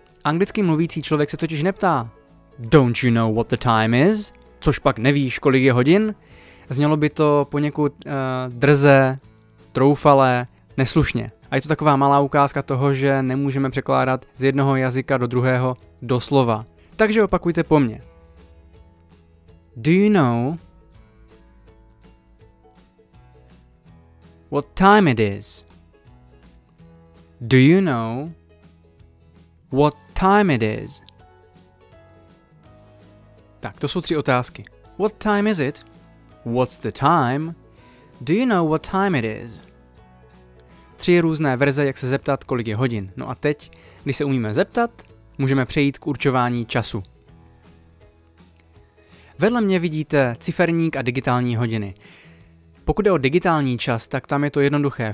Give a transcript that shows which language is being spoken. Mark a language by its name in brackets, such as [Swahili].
[Czech] Anglicky mluvící člověk se totiž neptá [English] Don't you know what the time is? [Czech] Což pak nevíš, kolik je hodin? Znělo by to poněkud drze, troufale, neslušně. A je to taková malá ukázka toho, že nemůžeme překládat z jednoho jazyka do druhého doslova. Takže opakujte po mně. [English] Do you know what time it is? Do you know what time it is? [Czech] Tak, to jsou tři otázky. [English] What time is it? What's the time? Do you know what time it is? [Czech] Tři různé verze, jak se zeptat, kolik je hodin. No a teď, když se umíme zeptat, můžeme přejít k určování času. Vedle mě vidíte ciferník a digitální hodiny. Pokud je o digitální čas, tak tam je to jednoduché.